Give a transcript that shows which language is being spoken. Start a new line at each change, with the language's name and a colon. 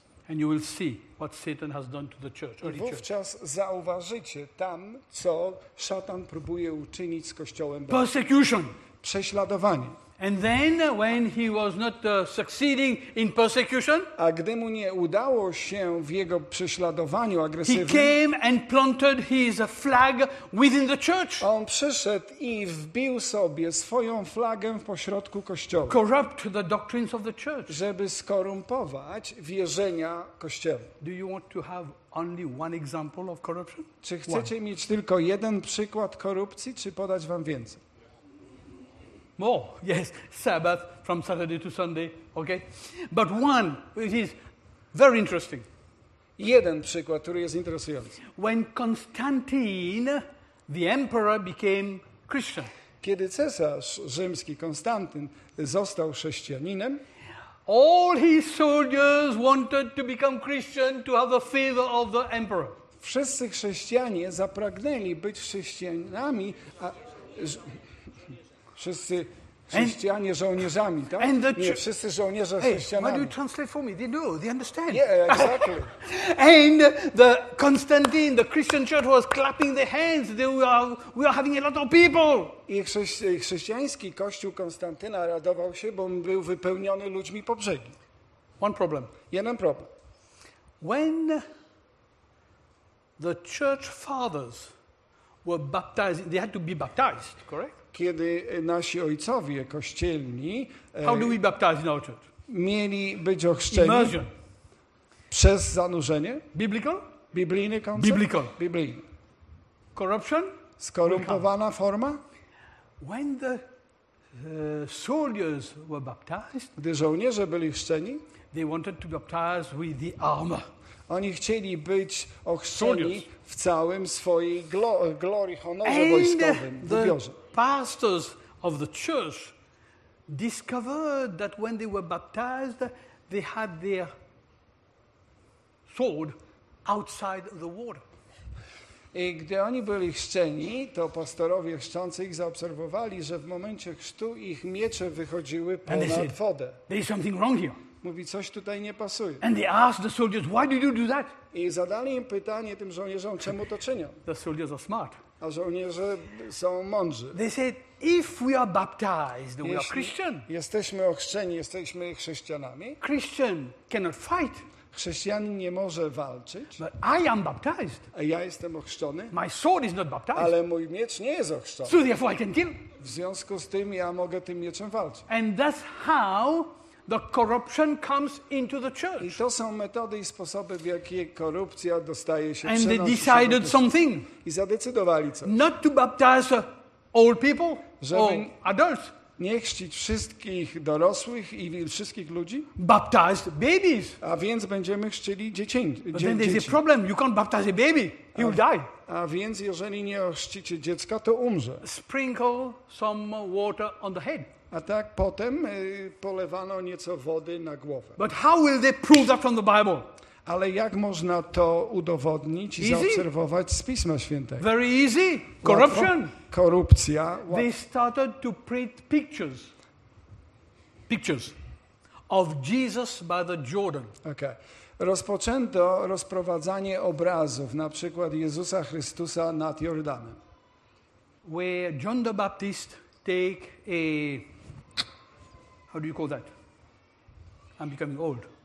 English: And you will see what Satan has done to the church.
Polish: I wówczas zauważycie tam, co szatan próbuje uczynić z kościołem.
English: Persecution.
Polish: Prześladowanie.
English: And then when he was not succeeding in persecution,
Polish: a gdy mu nie udało się w jego prześladowaniu agresywnym,
English: he came and planted his flag within the church.
Polish: On przyszedł i wbił sobie swoją flagę w pośrodku kościoła.
English: Corrupt the doctrines of the church.
Polish: Żeby skorumpować wierzenia kościoła.
English: Do you want to have only one example of corruption?
Polish: Czy chcecie mieć tylko jeden przykład korupcji, czy podać wam więcej?
English: More, yes, Sabbath from Saturday to Sunday, okay? But one, it is very interesting.
Polish: Jeden przykład, który jest interesujący.
English: When Constantine, the emperor, became Christian.
Polish: Kiedy cesarz rzymski Konstantyn został chrześcijaninem,
English: all his soldiers wanted to become Christian to have the favor of the emperor.
Polish: Wszyscy chrześcijanie zapragnęli być chrześcijanami, a wszyscy chrześcijanie
English: and,
Polish: żołnierzami, tak? Nie, wszyscy żołnierze chrześcijanami.
English: Hey, why do you translate for me? They do, they understand. Yeah, exactly. And the Constantine, the Christian church was clapping their hands. We are having a lot of people.
Polish: I chrześcijański kościół Konstantyna radował się, bo on był wypełniony ludźmi po brzegi.
English: One problem.
Polish: Jeden problem.
English: When the church fathers were baptized, they had to be baptized, correct?
Polish: Kiedy nasi ojcowie kościelni
English: How do we baptize in our church?
Polish: Mieli być ochrzczeni
English: Immersion.
Polish: Przez zanurzenie.
English: Biblical?
Polish: Biblijny koncept?
English: Biblical.
Polish: Biblijny.
English: Corruption?
Polish: skorumpowana forma?
English: When the soldiers were baptized,
Polish: gdy żołnierze byli chrzczeni,
English: they wanted to be baptized with the armor.
Polish: Oni chcieli być ochrzczeni w całym swojej glorii, honorze wojskowym, w ubiorze.
English: Pastors of the church discovered that when they were baptized, they had their sword outside the water.
Polish: I gdy oni byli chrzczeni, to pastorowie chrzczący ich zaobserwowali, że w momencie chrztu ich miecze wychodziły ponad wodę.
English: There is something wrong here.
Polish: Mówi, coś tutaj nie pasuje.
English: And they asked the soldiers, why did you do that?
Polish: I zadali im pytanie tym żołnierzom, czemu to czynią.
English: The soldiers are smart.
Polish: A żołnierze są mądrzy.
English: They said, if we are baptized, we are Christian.
Polish: Jesteśmy ochrzczeni, jesteśmy chrześcijanami.
English: Christian cannot fight.
Polish: Chrześcijanin nie może walczyć.
English: But I am baptized.
Polish: A ja jestem ochrzczony.
English: My sword is not baptized.
Polish: Ale mój miecz nie jest ochrzczony.
English: So therefore I can kill.
Polish: W związku z tym ja mogę tym mieczem walczyć.
English: And that's how the corruption comes into the church.
Polish: I to są metody i sposoby, w jakie korupcja dostaje się.
English: And they decided something.
Polish: I zadecydowali coś.
English: Not to baptize old people, or adults.
Polish: Nie chrzcić wszystkich dorosłych i wszystkich ludzi.
English: Baptize babies.
Polish: A więc będziemy chrzcili dzieci.
English: But then there's a problem. You can't baptize a baby. He will die.
Polish: A więc jeżeli nie ochrzcicie dziecka, to umrze.
English: Sprinkle some water on the head.
Polish: A tak potem polewano nieco wody na głowę.
English: But how will they prove that from the Bible?
Polish: Ale jak można to udowodnić i zaobserwować z Pisma Świętego?
English: Very easy. Corruption.
Polish: Łatwo. Korupcja. Łatwo.
English: They started to print pictures. Pictures of Jesus by the Jordan. Okay.
Polish: Rozpoczęto rozprowadzanie obrazów, na przykład Jezusa Chrystusa nad Jordanem.
English: Where John the Baptist take a how do you call that? I'm becoming old.